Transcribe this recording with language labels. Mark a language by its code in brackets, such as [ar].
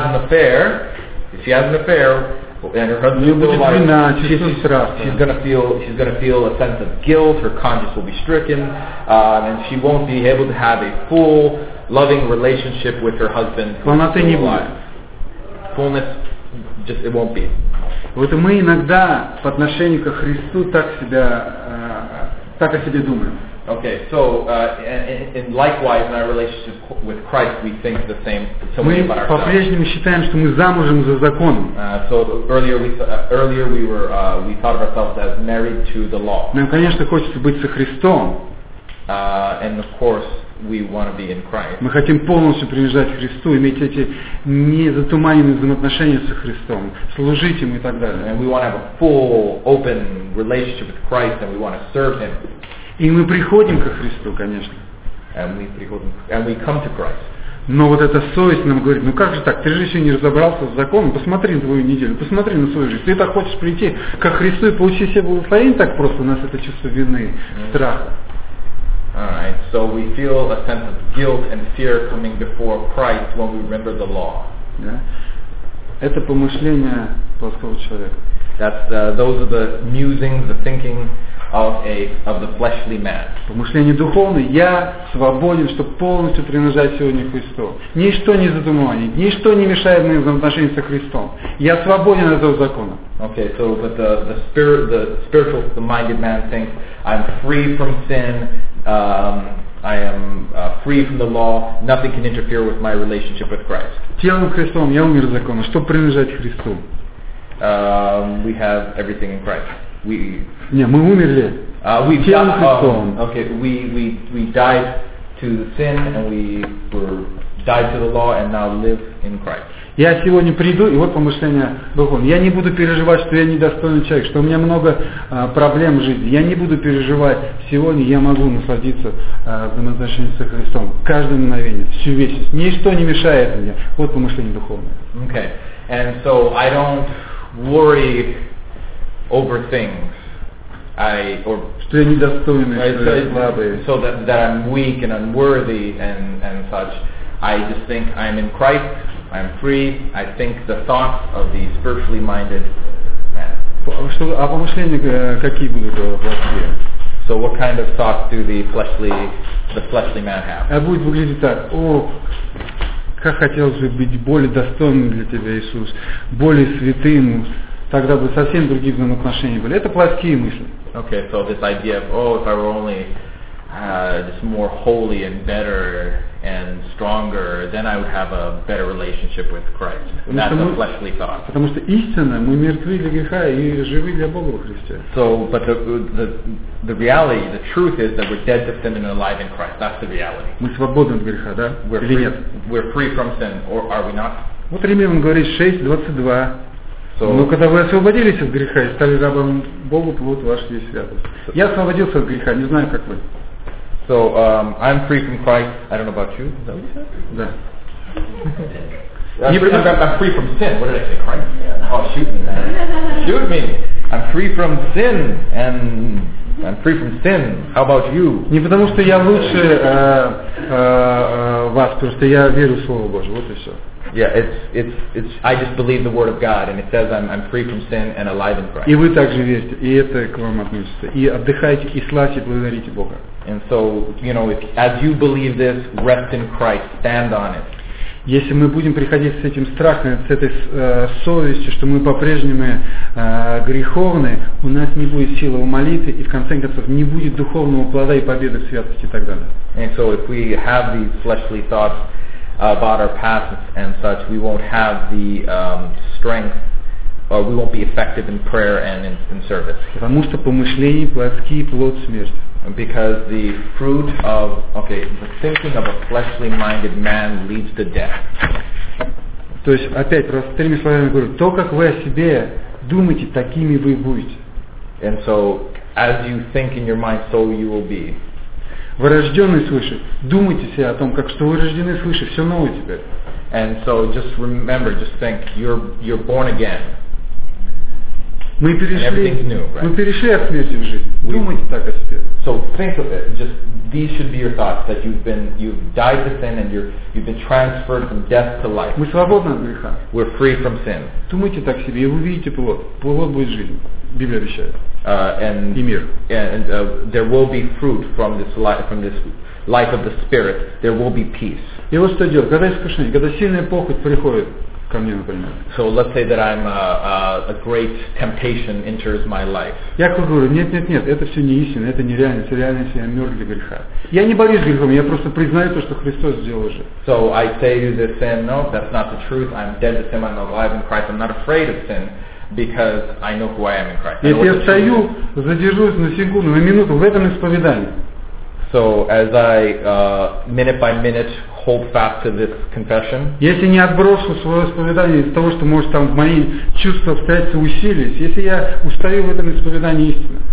[en] If she has an affair, and her husband is alive, she's gonna feel a sense of guilt. Her conscience will be stricken, and she won't be able to have a full, loving relationship with her husband. Fullness, just it won't be. [ru] Вот мы иногда по отношению к Христу так о себе думаем. [en] Okay, so and likewise in our relationship with Christ, we think the same. [ru] Мы по-прежнему считаем, что мы замужем за законом. [en] So earlier we thought of ourselves as married to the law. [ru] Нам, конечно, хочется быть со Христом. [en] And of course we want to be in Christ. [ru] Мы хотим полностью принадлежать Христу, иметь эти незатуманенные взаимоотношения со Христом, служить Ему и так далее. [en] And we want to have a full, open relationship with Christ, and we want to serve Him. [ru] И мы приходим ко Христу, конечно. [en] And we come to Christ. [ru] Но вот эта совесть нам говорит, ну как же так, ты же еще не разобрался с законом, посмотри на твою неделю, посмотри на свою жизнь. Ты так хочешь прийти ко Христу и получить себе благословение так просто, у нас это чувство вины, страха. [en] Alright, so we feel a sense of guilt and fear coming before Christ when we remember the law. Yeah. [ru] Это помышление плоского человека. [en] Those are the musings, the thinking of the fleshly man. [ru] Помышление духовное. Я свободен, чтобы полностью принадлежать сегодня Христу. Ничто не затуманит, ничто не мешает мне взаимоотношения со Христом. Я свободен от этого закона. [en] Okay, so but the spiritual minded man thinks I'm free from sin, I am free from the law, nothing can interfere with my relationship with Christ. [ru] Телом Христом я умер от закона, чтобы принадлежать Христу. [en] We have everything in Christ. [ru] Мы умерли. [en] Okay, we died to sin, and we were died to the law, and now live in Christ. [ru] Я сегодня приду, и вот помышление духовное. Я не буду переживать, что я недостойный человек, что у меня много проблем в жизни. Я не буду переживать. Сегодня я могу насладиться взаимоотношениями со Христом. Каждое мгновение, всю вечность. Ничто не мешает мне. Вот помышление духовное. [en] Okay. And so I don't worry over things. [ru] Что я недостойный, что я слабый. [en] So that I'm weak and unworthy and such. I just think I'm in Christ. I'm free. I think the thoughts of the spiritually minded man. So what kind of thoughts do the fleshly man have? [ru] Это будет выглядеть так: о, как хотелось бы быть более достойным для тебя, Иисус, более святым. Тогда бы совсем другие взаимоотношения были. Это плотские мысли. [en] Okay, so this idea of, oh, if I were only just more holy and better and stronger, then I would have a better relationship with Christ. That's a fleshly thought. [ru] Потому что истинно мы мертвы для греха и живы для Бога во Христе. [en] So, but the reality, the truth is that we're dead to sin and alive in Christ. That's the reality. [ru] Мы свободны от греха, да? Или нет? [en] We're free from sin, or are we not? [ru] Вот Римлян говорит 6:22. Но когда вы освободились от греха и стали рабом Богу, плод ваш есть святость. Я освободился от греха, не знаю, как вы. [en] So, I'm free from Christ. I don't know about you. Is that what you said? [ru] Да. [en] I'm free from sin. What did I say, Christ? Yeah. Oh, shoot me. Shoot me. I'm free from sin. And I'm free from sin. How about you? [ru] Не потому что я лучше вас, потому что я верю в Слово Божие. Вот и все. [en] Yeah, it's. I just believe the word of God, and it says I'm free from sin and alive in Christ. [ru] И вы также верите, и это к вам относится. И отдыхайте, и славьте, благодарите Бога. [en] And so, you know, if as you believe this, rest in Christ, stand on it. [ru] Если мы будем приходить с этим страхом, с этой совестью, что мы по-прежнему греховны, у нас не будет силы у молитвы, и в конце концов не будет духовного плода и победы в святости и так далее. [en] And so, if we have these fleshly thoughts about our past and such, we won't have the strength, or we won't be effective in prayer and in service. [ru] Потому что помышления плотские, плод смерти. [en] Because the fruit of the thinking of a fleshly minded man leads to death. [ru] То есть опять раз тремя словами говорю, то как вы о себе думаете, такими вы будете. [en] And so as you think in your mind, so you will be. [ru] Вы рождённый свыше. Думайте себе о том, как что вы рождены свыше, всё новое теперь. [en] And so just remember, just think, you're born again. [ru] Мы перешли от смерти в жизнь. Думайте так о себе. [en] So think of it. Just these should be your thoughts that you've died to sin and you've been transferred from death to life. [ru] Мы свободны от греха. [en] We're free from sin. [ru] Думайте так себе, и вы увидите плод. Плод будет жизнь. Библия обещает. [en] There will be fruit from this life of the Spirit. There will be peace. [ru] И вот что делать? Когда искушение, когда сильная похоть приходит ко мне, например. [en] So let's say that I'm a great temptation enters my life. [ru] Я говорю, нет, это все не истина, это не реальность. Реальность, я мертв для греха. Я не борюсь с грехом, я просто признаю то, что Христос сделал уже. [en] So I say to this sin, no, that's not the truth. I'm dead to sin, I'm alive in Christ. I'm not afraid of sin. Because I know who I am in Christ. [ru] Если я встаю, задержусь на секунду, на минуту в этом исповедании. [en] So as I minute by minute hold fast to this confession. [ru] Если не отброшу свое исповедание из-за того, что может там в мои чувства встать усилились, если я устаю в этом исповедании истины.